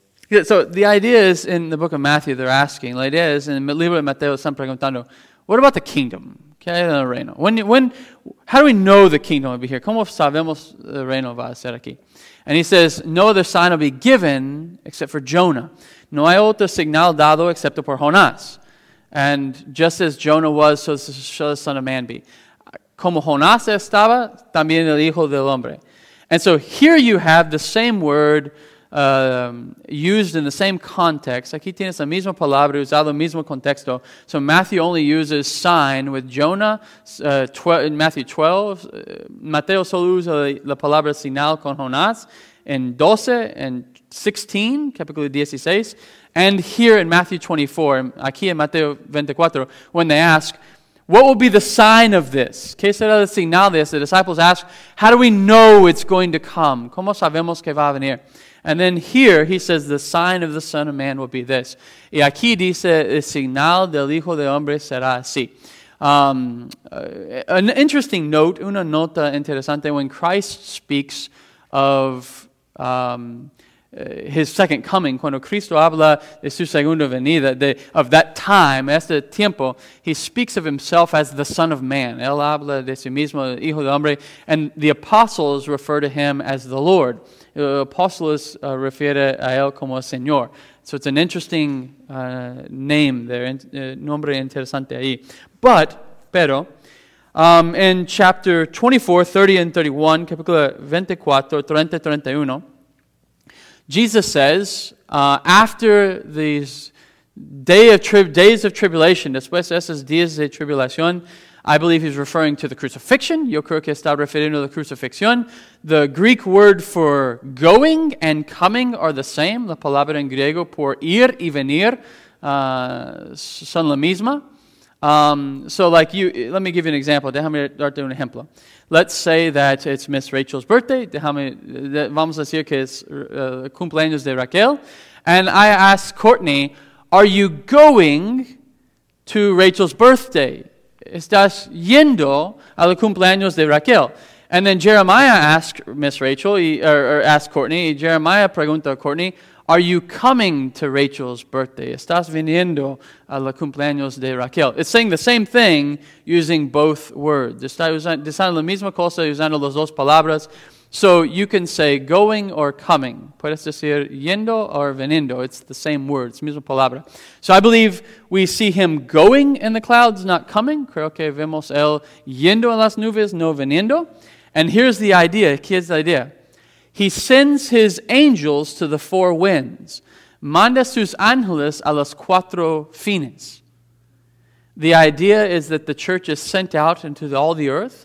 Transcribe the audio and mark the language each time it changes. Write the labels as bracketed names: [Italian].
[English] Yeah, so the idea is in the book of Matthew, they're asking. The idea is in the [Spanish] libro de Mateo, están preguntando, [English] what about the kingdom? [Spanish] ¿Qué es el reino? [English] How do we know the kingdom will be here? [Spanish] ¿Cómo sabemos el reino va a ser aquí? [English] And he says, no other sign will be given except for Jonah. [Spanish] No hay otro señal dado excepto por Jonás. [English] And just as Jonah was, so shall the Son of Man be. [Spanish] Como Jonás estaba, también el Hijo del Hombre. [English] And so here you have the same word used in the same context. [Spanish] Aquí tienes la misma palabra usado en el mismo contexto. [English] So Matthew only uses sign with Jonah in Matthew 12. [Spanish] Mateo solo usa la palabra señal con Jonás en 12 and 16, capítulo 16. [English] And here in Matthew 24, [Spanish] aquí en Mateo 24, [English] when they ask, what will be the sign of this? [Spanish] ¿Qué será la señal de esto? [English] The disciples ask, how do we know it's going to come? [Spanish] ¿Cómo sabemos que va a venir? [English] And then here, he says, the sign of the Son of Man will be this. [Spanish] Y aquí dice, el señal del Hijo de Hombre será así. [English] An interesting note, [Spanish] una nota interesante, [English] when Christ speaks of his second coming, [Spanish] cuando Cristo habla de su segunda venida, [English] of that time, [Spanish] este tiempo, [English] he speaks of himself as the Son of Man. [Spanish] Él habla de sí mismo, Hijo de Hombre, [English] and the apostles refer to him as the Lord. [Spanish] El apóstoles refiere a él como Señor. [English] So it's an interesting name there, [Spanish] nombre interesante ahí. [English] But, [Spanish] pero, [English] in chapter 24, 30 and 31, [Spanish] capítulo 24, 30 [English] and 31, Jesus says, after these days of tribulation, [Spanish] después de esos días de tribulación, [English] I believe he's referring to the crucifixion. [Spanish] Yo creo que está refiriendo a la crucifixión. [English] The Greek word for going and coming are the same. [Spanish] La palabra en griego por ir y venir son la misma. [English] Let me give you an example. [Spanish] Déjame darte un ejemplo. [English] Let's say that it's Miss Rachel's birthday. [Spanish] Vamos a decir que es cumpleaños de Raquel. [English] And I ask Courtney, are you going to Rachel's birthday? [Spanish] ¿Estás yendo a los cumpleaños de Raquel? [English] And then Jeremiah asks Miss Rachel, or asks Courtney, [Spanish] y Jeremiah pregunta a Courtney, [English] are you coming to Rachel's birthday? [Spanish] ¿Estás viniendo a los cumpleaños de Raquel? [English] It's saying the same thing using both words. [Spanish] Está usando la misma cosa usando las dos palabras. [English] So you can say going or coming. [Spanish] Puedes decir yendo or veniendo. [English] It's the same word. It's [Spanish] misma palabra. [English] So I believe we see him going in the clouds, not coming. [Spanish] Creo que vemos él yendo en las nubes, no veniendo. [English] And here's the idea. [Spanish] ¿Qué es la idea? [English] He sends his angels to the four winds. [Spanish] Manda sus ángeles a los cuatro fines. [English] The idea is that the church is sent out into all the earth.